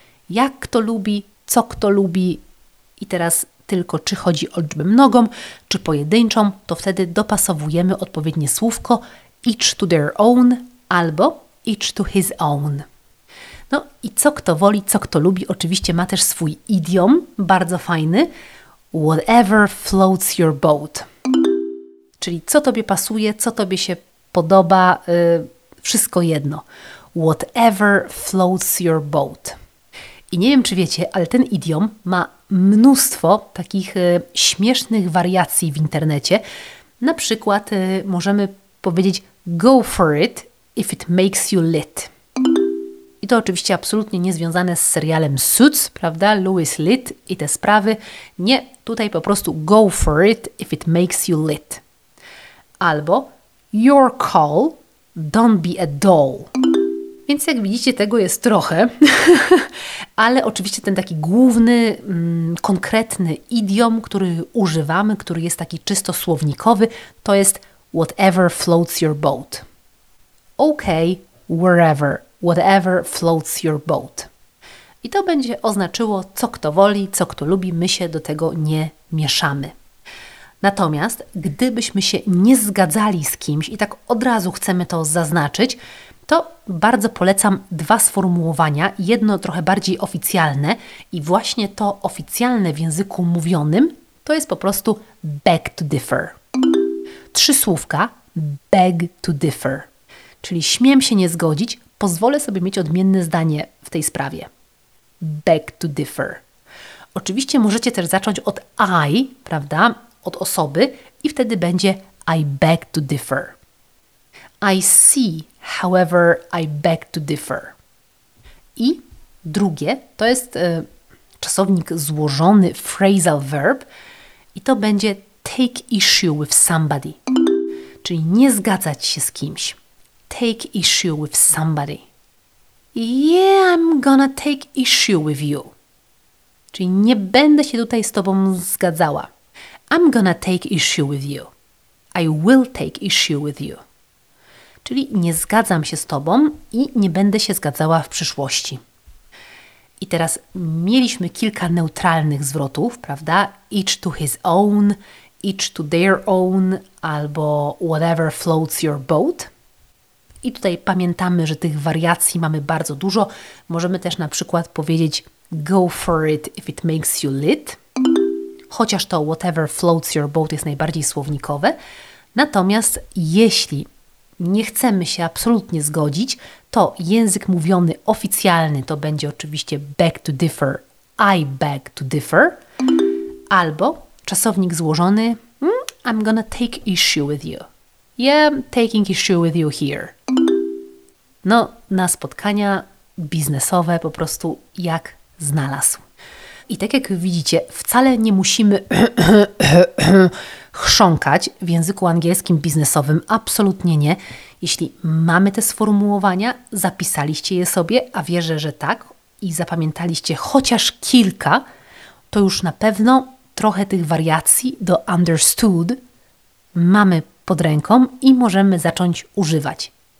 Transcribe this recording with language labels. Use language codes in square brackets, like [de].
[pl] Jak kto lubi, co kto lubi i teraz tylko czy chodzi o liczbę mnogą, czy pojedynczą, to wtedy dopasowujemy odpowiednie słówko [en] each to their own [pl] albo [en] each to his own. [pl] No i co kto woli, co kto lubi, oczywiście ma też swój idiom, bardzo fajny, [en] whatever floats your boat. [pl] Czyli co Tobie pasuje, co Tobie się podoba, wszystko jedno. [en] Whatever floats your boat. [pl] I nie wiem, czy wiecie, ale ten idiom ma mnóstwo takich śmiesznych wariacji w internecie. Na przykład możemy powiedzieć [en] go for it if it makes you lit. [pl] I to oczywiście absolutnie niezwiązane z serialem Suits, prawda? Louis Litt i te sprawy. Nie, tutaj po prostu [en] go for it if it makes you lit. [pl] Albo [en] your call, don't be a doll. [pl] Więc jak widzicie, tego jest trochę, ale oczywiście ten taki główny, konkretny idiom, który używamy, który jest taki czysto słownikowy, to jest [en] whatever floats your boat. Okay, wherever, whatever floats your boat. [pl] I to będzie oznaczyło, co kto woli, co kto lubi, my się do tego nie mieszamy. Natomiast gdybyśmy się nie zgadzali z kimś i tak od razu chcemy to zaznaczyć, to bardzo polecam dwa sformułowania, jedno trochę bardziej oficjalne i właśnie to oficjalne w języku mówionym to jest po prostu [en] beg to differ. [pl] Trzy słówka, [en] beg to differ, [pl] czyli śmiem się nie zgodzić, pozwolę sobie mieć odmienne zdanie w tej sprawie. [en] Beg to differ. [pl] Oczywiście możecie też zacząć od I, prawda, od osoby i wtedy będzie [en] I beg to differ. I see, however, I beg to differ. [pl] I drugie to jest czasownik złożony [en] phrasal verb [pl] i to będzie [en] take issue with somebody, [pl] czyli nie zgadzać się z kimś. [en] Take issue with somebody. Yeah, I'm gonna take issue with you. [pl] Czyli nie będę się tutaj z tobą zgadzała. [en] I'm gonna take issue with you. I will take issue with you. [pl] Czyli nie zgadzam się z tobą i nie będę się zgadzała w przyszłości. I teraz mieliśmy kilka neutralnych zwrotów, prawda? [en] Each to his own, each to their own, [pl] albo [en] whatever floats your boat. [pl] I tutaj pamiętamy, że tych wariacji mamy bardzo dużo. Możemy też na przykład powiedzieć [en] go for it if it makes you lit. [pl] Chociaż to [en] whatever floats your boat [pl] jest najbardziej słownikowe. Natomiast jeśli nie chcemy się absolutnie zgodzić, to język mówiony oficjalny to będzie oczywiście [en] beg to differ, I beg to differ. [pl] Albo czasownik złożony, [en] I'm gonna take issue with you. Yeah, taking issue with you here. [pl] No, na spotkania biznesowe po prostu jak znalazł. I tak jak widzicie, wcale nie musimy chrząkać w języku angielskim biznesowym, absolutnie nie. Jeśli mamy te sformułowania, zapisaliście je sobie, a wierzę, że tak, i zapamiętaliście chociaż kilka, to już na pewno trochę tych wariacji do understood mamy pod ręką i możemy zacząć używać.